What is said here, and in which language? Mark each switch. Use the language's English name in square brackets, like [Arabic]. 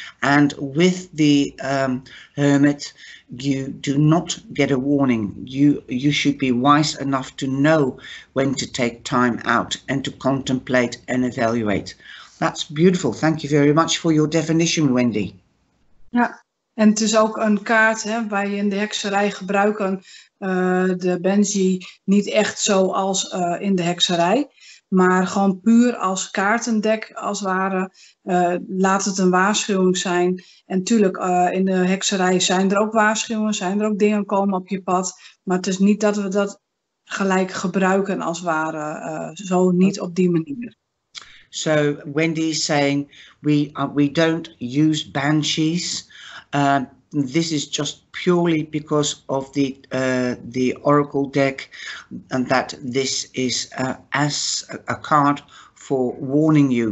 [English] And with the hermit, you do not get a warning. You should be wise enough to know when to take time out and to contemplate and evaluate. That's beautiful. Thank you very much for your definition, Wendy. [Dutch] Ja, en het is ook een kaart, hè, waar je in de hekserij gebruiken de Benji niet echt zoals in de hekserij, maar gewoon puur als kaartendek als het ware, laat het een waarschuwing zijn. En natuurlijk, in de hekserij zijn er ook waarschuwingen, zijn er ook dingen komen op je pad, maar het is niet dat we dat gelijk gebruiken als het ware, zo niet op die manier. [English] So Wendy is saying we don't use banshees. This is just purely because of the oracle deck, and that this is as a card for warning you.